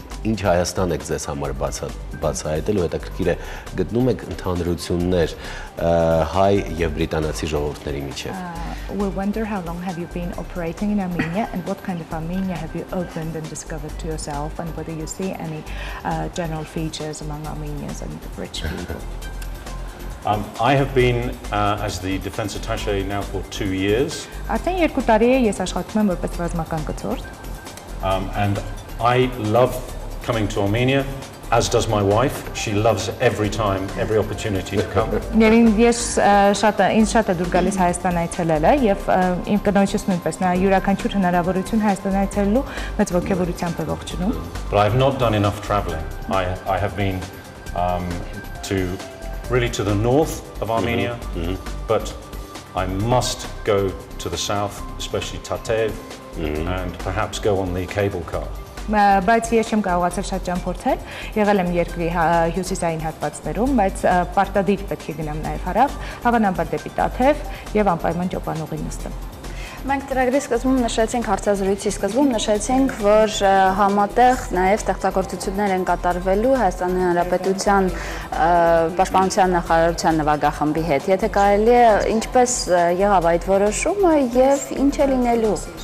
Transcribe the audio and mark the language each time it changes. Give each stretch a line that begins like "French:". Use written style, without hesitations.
Armenian: ինչ Հայաստան եք ձեզ համար բացահայտել ու հետաքրքիր է գտնում եք ընդհանրություններ հայ եւ բրիտանացի ժողովուրդների միջեւ
English: We wonder how long have you been operating in Armenia and what kind of Armenia have you opened and discovered to yourself and whether you see any general features among Armenians and the rich people I have been as the defense attaché now for 2 years
Armenian: Այսինքն 2 տարի է ես աշխատում եմ որպես ռազմական կցորդ
English: And I love coming to Armenia, as does my wife. She loves every time, every opportunity to come.
Armenian: Նրան ես շատ ինձ շատ է դուր գալիս Հայաստան այցելելը եւ իմ կնոջս նույնպես նա յուրաքանչյուր հնարավորություն Հայաստան այցելելու մեծ ոգևորությամբ է ողջունում.
English: But I've not done enough traveling. I have been to really to the north of Armenia, but I must go to the south, especially Tatev. And perhaps go on the cable car.
Armenian: Բայց ես չեմ կարողացել շատ ճամփորդել։ Եղել եմ երկրի հյուսիսային հատվածներում, բայց պարտադիր պետք է գնամ նաև հարավ, հավանաբար դեպի Տաթև եւ անպայման ճոպանուղի նստեմ։ Մենք ծրագրի սկզբում նշեցինք հարցազրույցի սկզբում նշեցինք, որ համատեղ նաև ստեղծագործություններ են կատարվելու Հայաստանի Հանրապետության Պաշտպանության նախարարության նվագախմբի հետ։ Եթե կարելի է, ինչպես եղավ այդ որոշումը եւ ինչ է լինելու։